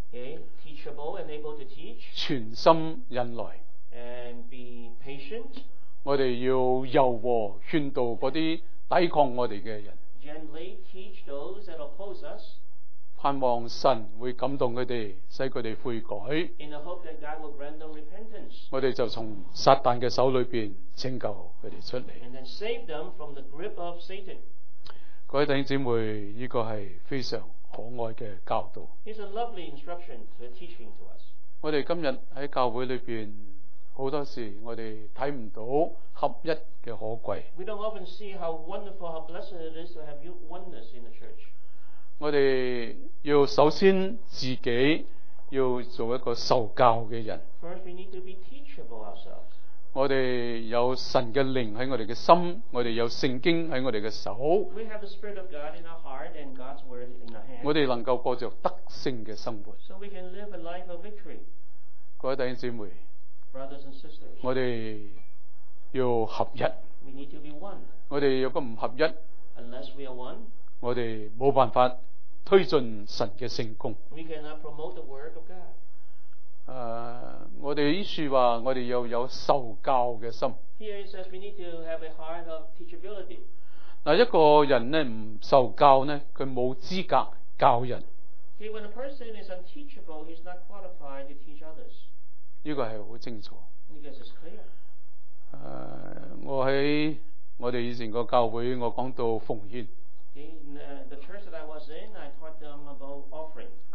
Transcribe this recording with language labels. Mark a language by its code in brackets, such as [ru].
[en] Teachable and able to teach. [zh] 全心忍耐。 [en] And be patient. [zh] 我们要柔和劝导那些抵抗我们的人。 [en] Gently teach those that oppose us. [zh] 盼望神会感动他们，使他们悔改。 [en] In the hope that God will grant them repentance. [zh] 我们就从撒旦的手里面拯救他们出来。 [en] And then save them from the grip of Satan. [zh] 各位弟兄姊妹，这个是非常可爱的教导。 [en] It's a lovely instruction to the teaching to us. [zh] 我们今天在教会里面，很多时候我们看不到合一的可贵。 [en] We don't often see how wonderful, how blessed it is to have oneness in the church. [zh] 我们要首先自己要做一个受教的人。 [en] First, we need to be teachable ourselves. [zh] 我们有神的灵在我们的心，我们有圣经在我们的手。 [en] We have the Spirit of God in our heart and God's word in our hand. [zh] 我们能够过着得胜的生活。 [en] So we can live a life of victory. [zh] 各位弟兄姊妹， [en] Brothers and sisters, [zh] 我们要合一。 [en] We need to be one. [zh] 我们如果不合一， [en] Unless we are one, [zh] 我们没有办法推进神的圣工。 [en] We cannot promote the word of God. [zh] 我们这说话，我们要有受教的心。 [en] Here it says we need to have a heart of teachability. [zh] 一个人呢不受教呢，他没有资格教人。 [en] Okay, when a person is unteachable, he's not qualified to teach others. [zh] 这个是很清楚。 [en] Because it's clear. [zh] 我在我们以前的教会，我讲到奉献。 [en] In the church that I was in, I taught them about offering.